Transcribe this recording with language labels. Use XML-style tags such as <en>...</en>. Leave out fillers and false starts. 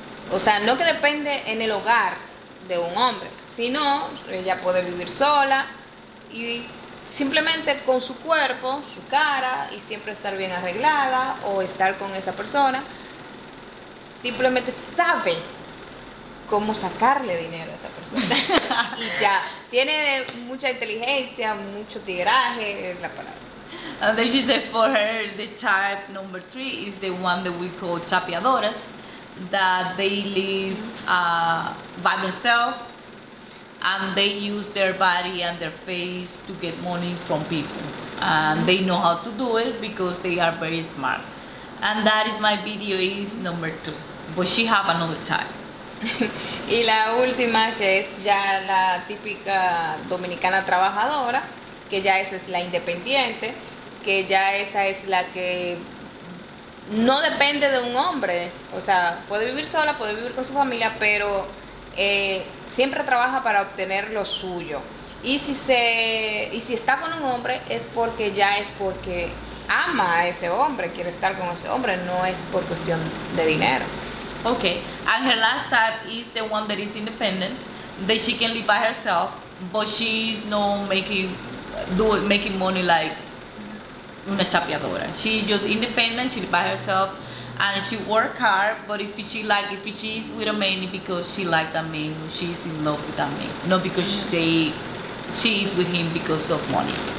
<es>O sea, no que depende en el hogar de un hombre, sino ella puede vivir sola y simplemente con su cuerpo, su cara, y siempre estar bien arreglada o estar con esa persona. Simplemente sabe cómo sacarle dinero a esa persona. Y ya, tiene mucha inteligencia, mucho tigraje, es la palabra.</es> <en>And then she said for her, the type number 3 is the one that we call chapeadoras, that they live by themselves, and they use their body and their face to get money from people. And they know how to do it because they are very smart. And that is my video, is number 2. But she have another type.</en> <es>Y la última, que es ya la típica dominicana trabajadora, que ya esa es la independiente, que ya esa es la que no depende de un hombre. O sea, puede vivir sola, puede vivir con su familia, pero siempre trabaja para obtener lo suyo. Y si está con un hombre, es porque ya es porque ama a ese hombre, quiere estar con ese hombre, no es por cuestión de dinero.</es> <en>Okay, and her last type is the one that is independent, that she can live by herself, but she's not making money like</en> <es>una chapeadora.</es> <en>She's just independent, she lives by herself, and she work hard, but if she's with a man, it's because she likes that man, she's in love with that man, not because she is with him because of money.</en>